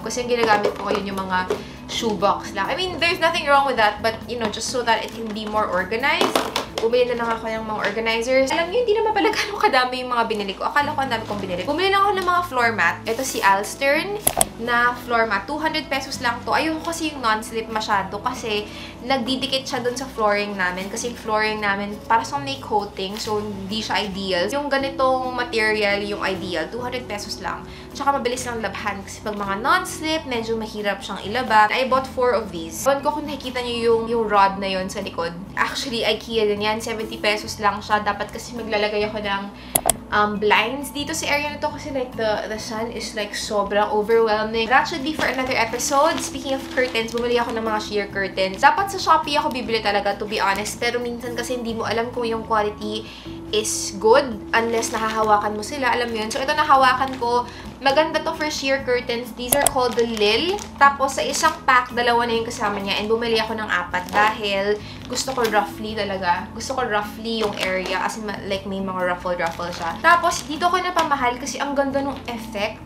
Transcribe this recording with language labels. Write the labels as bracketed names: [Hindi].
[Filipino] Kasi yung ginagamit ko ngayon yung mga shoebox lang. [English] I mean, there's nothing wrong with that. But, you know, just so that it can be more organized. [Filipino] Bumili na lang ako ng mga organizers. Alam niyo, hindi naman pala gano'ng kadami yung mga binili ko. Akala ko ang dami kong binili. Bumili na ako ng mga floor mat. Ito si Alstern na floor mat. 200 pesos lang to. Ayoko kasi yung non-slip masyado kasi nagdidikit siya dun sa flooring namin. Kasi yung flooring namin, para sa may coating. So, hindi siya ideal. Yung ganitong material yung ideal. 200 pesos lang. Tsaka mabilis lang labhan. Kasi pag mga non-slip, medyo mahirap siyang ilaba. [English] I bought 4 of these. [Filipino] Iwan ko kung nakikita niyo yung rod na yun sa likod. Actually, IKEA din yan. 70 pesos lang siya. Dapat kasi maglalagay ako ng blinds dito sa area na to kasi [English] like the sun is like [Filipino] sobrang overwhelming. [English] That should be for another episode. Speaking of curtains, [Filipino] bumili ako ng mga sheer curtains. Dapat sa Shopee ako bibili talaga, [English] to be honest. [Filipino] Pero minsan kasi hindi mo alam kung yung quality is good unless nahahawakan mo sila. Alam mo yun? So, ito nahawakan ko. Maganda to [English] for sheer curtains. These are called the Lil. [Filipino] Tapos, sa isang pack, dalawa na yung kasama niya. And bumili ako ng apat dahil gusto ko roughly talaga. Gusto ko roughly yung area. As in, like, may mga ruffle-ruffle siya. Tapos, dito ko napamahal kasi ang ganda ng effect.